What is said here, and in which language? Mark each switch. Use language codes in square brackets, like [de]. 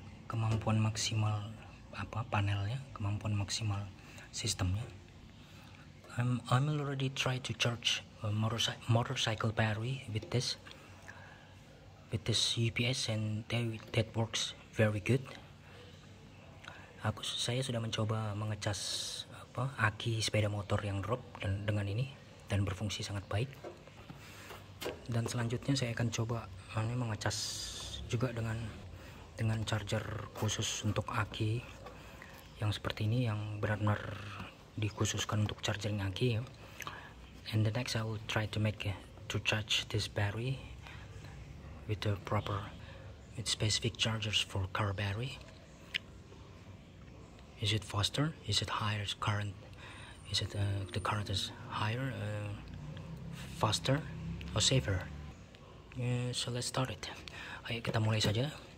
[id] Kemampuan maksimal apa panelnya, kemampuan maksimal sistemnya. [en] I'm already try to charge a motorcycle battery with this UPS, and that works very good. [id] Saya sudah mencoba mengecas aki sepeda motor yang drop dengan ini dan berfungsi sangat baik. Dan selanjutnya saya akan coba mengecas juga dengan charger khusus untuk aki yang seperti ini, yang benar-benar dikhususkan untuk charging aki ya. [en] And the next I will try to to charge this battery with the proper with specific chargers for car battery. Is it faster? Is it higher current? Is it the current is higher, faster, or safer? So let's start it. [id] Ayo kita mulai saja.